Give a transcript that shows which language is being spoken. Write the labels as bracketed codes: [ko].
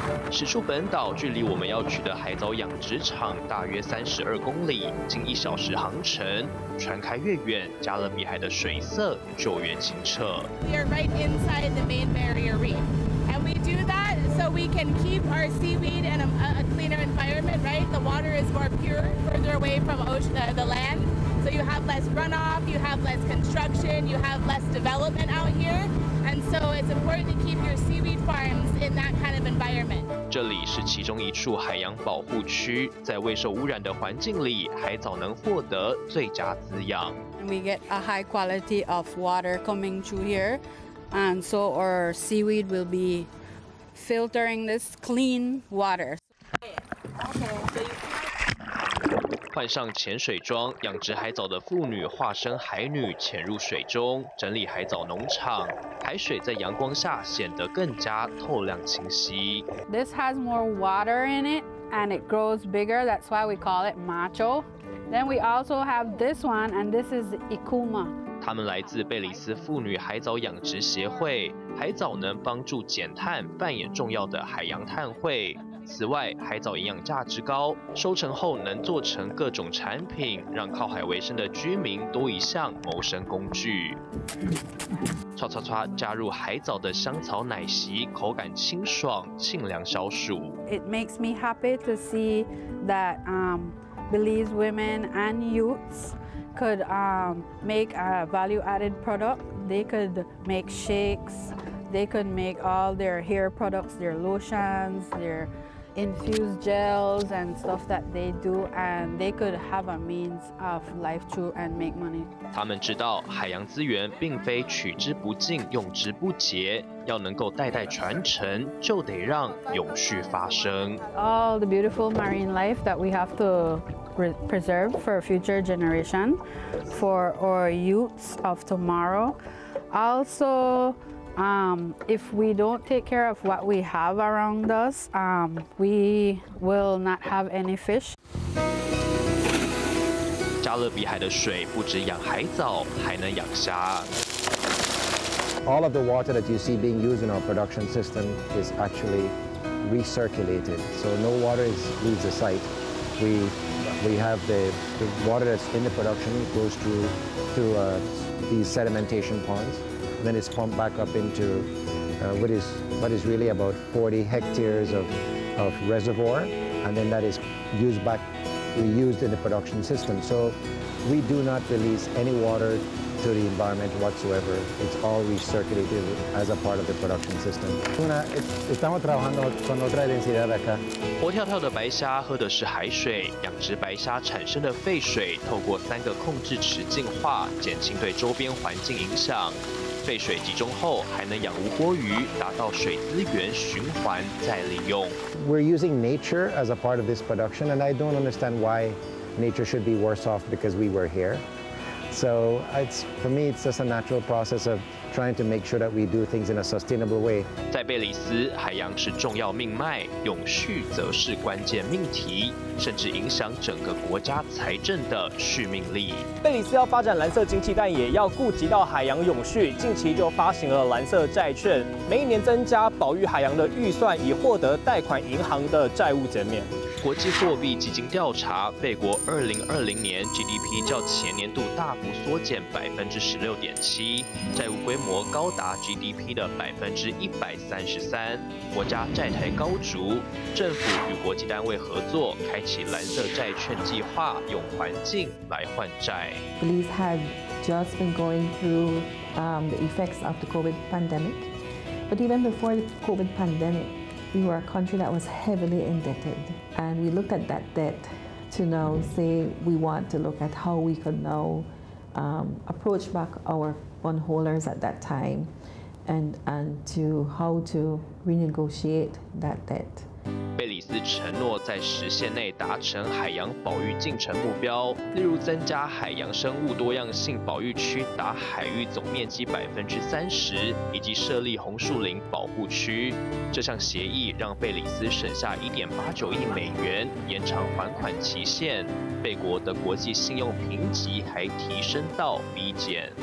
[zh] 驶出本岛，距离我们要去的海藻养殖场大约32公里，近1小时航程。船开越远，加勒比海的水色就越清澈。 [en] We are right inside the main barrier reef, and we do that so we can keep our seaweed in a cleaner environment. Right, the water is more pure, further away from the land, so you have less runoff, you have less construction, you have less development out here. And so it's important to keep your seaweed farms in that kind of environment. [zh] 这里是其中一处海洋保护区，在未受污染的环境里，海藻能获得最佳滋养。 [en] We get a high quality of water coming through here, and so our seaweed will be filtering this clean water. [zh] 换上潜水装，养殖海藻的妇女化身海女潜入水中，整理海藻农场。海水在阳光下显得更加透亮清晰。 [en] This has more water in it, and it grows bigger. That's why we call it macho. Then we also have this one, and this is ikuma. [zh] 他们来自贝里斯妇女海藻养殖协会，海藻能帮助减碳，扮演重要的海洋碳汇。此外，海藻营养价值高，收成后能做成各种产品，让靠海为生的居民多一项谋生工具。刷刷刷，加入海藻的香草奶昔，口感清爽，沁凉消暑。 [en] It makes me happy to see that Belize women and youths. Could make a value-added product. They could make shakes. They could make all their hair products, their lotions, their infused gels and stuff that they do. And they could have a means of life too and make money. [zh] 他们知道海洋资源并非取之不尽、用之不竭，要能够代代传承，就得让永续发生。 [en] All the beautiful marine life that we have to. Preserve for future generation, for our youths of tomorrow. Also, if we don't take care of what we have around us, we will not have any fish. [zh] 加勒比海的水不止养海藻，还能养虾。 [en] All of the water that you see being used in our production system is actually recirculated, so no water leaves the site. We have the water that's in the production goes through these sedimentation ponds, then it's pumped back up into what is really about 40 hectares of reservoir, and then that is reused in the production system. So we do not release any water to the environment whatsoever. It's all recirculated as a part of the production system. [es] Estamos trabajando con otra densidad acá. [zh] 活跳跳的白虾喝的是海水，养殖白虾产生的废水透过三个控制池净化，减轻对周边环境影响。废水集中后还能养无锅鱼，达到水资源循环再利用。 [en] We're using nature as a part of this production, and I don't understand why nature should be worse off because we were here. So it's for me, it's just a natural process of trying to make sure that we do things in a sustainable way. [zh] 在贝里斯，海洋是重要命脉，永续则是关键命题，甚至影响整个国家财政的续命力。贝里斯要发展蓝色经济，但也要顾及到海洋永续。近期就发行了蓝色债券，每一年增加保育海洋的预算，以获得贷款银行的债务减免。国际货币基金调查，贝国2020年 GDP 较前年度大幅缩减16.7%，债务规模高达 GDP 的133%，国家债台高筑。政府与国际单位合作，开启蓝色债券计划，用环境来换债。 [en] Belize had just been going through the effects of the COVID pandemic, but even before the COVID pandemic. We were a country that was heavily indebted, and we looked at that debt to now say we want to look at how we could now approach back our bondholders at that time, and to how to renegotiate that debt. [zh] 贝里斯承诺在时限内达成海洋保育进程目标，例如增加海洋生物多样性保育区达海域总面积30%，以及设立红树林保护区。这项协议让贝里斯省下$1.89亿，延长还款期限，贝国的国际信用评级还提升到 B 减。